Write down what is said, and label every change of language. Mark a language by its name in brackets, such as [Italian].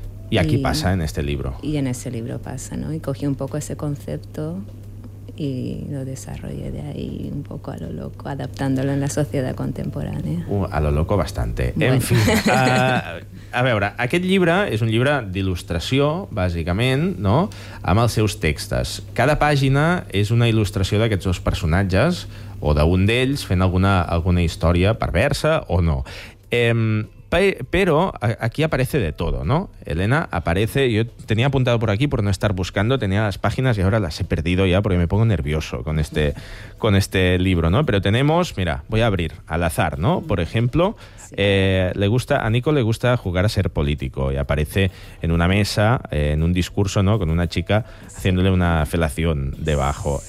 [Spanish] Y aquí pasa en este libro. Y en ese libro pasa, ¿no? Y cogí un poco ese concepto y lo desarrollé de ahí un poco a lo loco, adaptándolo en la sociedad contemporánea. A lo loco bastante. Bueno. [Catalan] En fin, a veure, aquest llibre és un llibre d'il·lustració, bàsicament, no?, amb els seus textos. Cada pàgina és una il·lustració d'aquests dos personatges o d'un d'ells fent alguna història perversa o no. [Spanish] Pero aquí aparece de todo, ¿no? Helena, aparece... Yo tenía apuntado por aquí por no estar buscando, tenía las páginas y ahora las he perdido ya porque me pongo nervioso con este libro, ¿no? Pero tenemos... Mira, voy a abrir al azar, ¿no? Por ejemplo, a Nico le gusta jugar a ser político y aparece en una mesa, en un discurso, ¿no?, con una chica haciéndole una felación debajo.